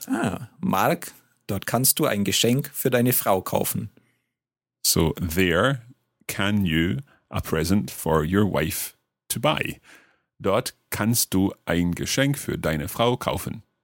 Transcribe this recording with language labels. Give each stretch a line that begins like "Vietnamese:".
German: Ah, Mark, dort kannst du ein Geschenk für deine Frau kaufen.
English: So there can you a present for your wife to buy.
German: Dort kannst du ein Geschenk für deine Frau kaufen.